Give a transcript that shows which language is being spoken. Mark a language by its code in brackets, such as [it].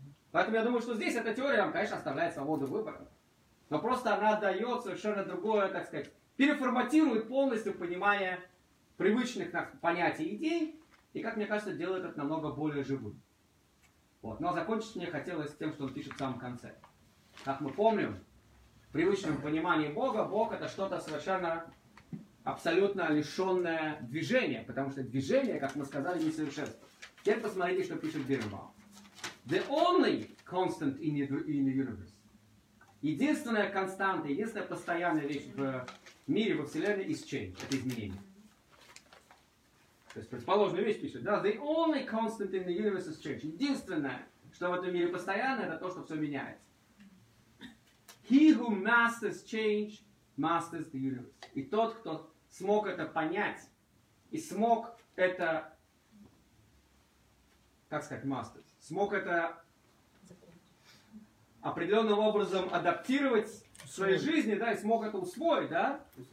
[ru] Поэтому я думаю, что здесь эта теория, конечно, оставляет свободу выбора. Но просто она дает совершенно другое, так сказать, переформатирует полностью понимание привычных понятий и идей, и, как мне кажется, делает это намного более живым. Вот. Но закончить мне хотелось тем, что он пишет в самом конце. Как мы помним, в привычном понимании Бога, Бог это что-то совершенно абсолютно лишенное движения, потому что движение, как мы сказали, несовершенство. Теперь посмотрите, что пишет Бирюльбаум. [en] The only constant in the universe. [ru] Единственная константа, единственная постоянная вещь в мире, во Вселенной, [en] is change, [ru] это изменение. То есть противоположная вещь пишет, да, [en] the only constant in the universe is change. [ru] Единственное, что в этом мире постоянно, это то, что все меняется. [en] He who masters change Masters the Universe. [ru] И тот, кто смог это понять и смог это, как сказать, Masters, смог это определенным образом адаптировать в своей жизни, да, и смог это усвоить, да?